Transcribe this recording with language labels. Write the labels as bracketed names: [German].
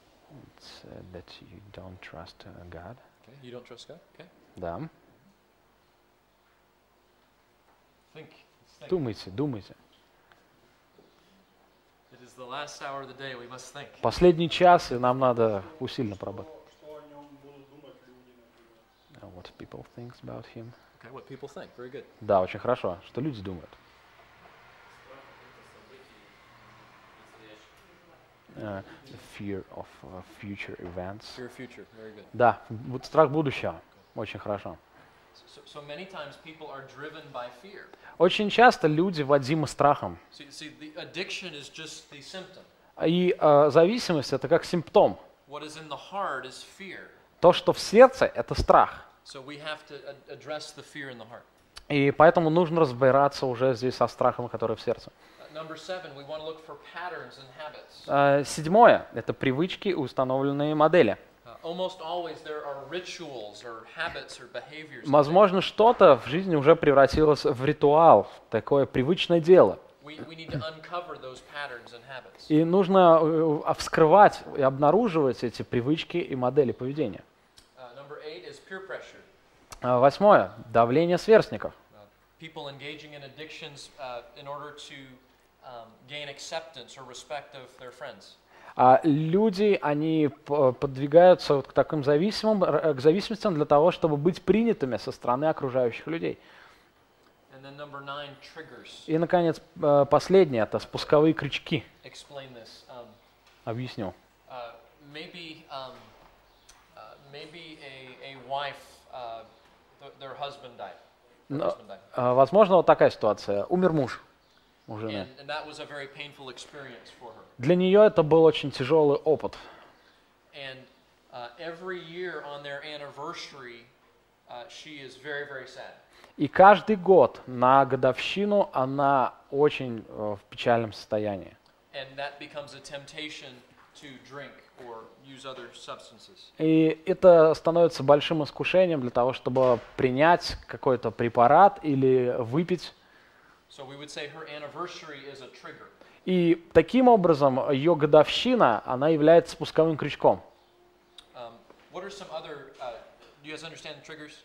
[English] It's that you don't trust God. Okay. You don't trust God? Okay. [Russian] Да. [English] Think. [Russian] Думайте. [English] It is the last hour of the day. We must think. [Russian] Последний час, и нам надо усиленно поработать. [English] What people think about him. Okay, what people think. Very good. [Russian] Да, очень хорошо. Что люди думают? [English] Fear of future events. Fear of future. Very good. [Russian] Да, вот страх будущего. Очень хорошо. [English] So many times people are driven by fear. [Russian] Очень часто люди водимы страхом. [English] See, the addiction is just the symptom. [Russian] И зависимость это как симптом. [English] What is in the heart is fear. [Russian] То, что в сердце, это страх. [English] So we have to address the fear in the heart. [Russian] И поэтому нужно разбираться уже здесь со страхом, который в сердце. [English] Number seven, we want to look for patterns and habits. [Russian] Седьмое – это привычки, установленные модели. [English] Almost always there are rituals or habits or behaviors. [Russian] Возможно, что-то в жизни уже превратилось в ритуал, в такое привычное дело. [English] We need to uncover those patterns and habits. [Russian] И нужно вскрывать и обнаруживать эти привычки и модели поведения. [English] Peer pressure. [Russian] Восьмое. Давление сверстников. [English] People engaging in addictions in order to gain acceptance or respect of their friends. [Russian] Люди, они подвигаются вот к таким зависимым, к зависимостям для того, чтобы быть принятыми со стороны окружающих людей. [English] And then number nine, triggers. [Russian] И, наконец, последнее. Это спусковые крючки. [English] Explain this. [Russian] Объясню. [English] Maybe a wife, their husband died. [Russian] Возможно, вот такая ситуация. Умер муж у жены. [English] And that was a very painful experience for her. [Russian] Для нее это был очень тяжелый опыт. [English] And every year on their anniversary, she is very, very sad. [Russian] И каждый год на годовщину она очень в печальном состоянии. [English] And that becomes a temptation to drink or use other substances. [Russian] И это становится большим искушением для того, чтобы принять какой-то препарат или выпить. [English] So we would say her anniversary is a trigger. [Russian] И таким образом ее годовщина, она является спусковым крючком. [English] What are some other, do you guys understand the triggers?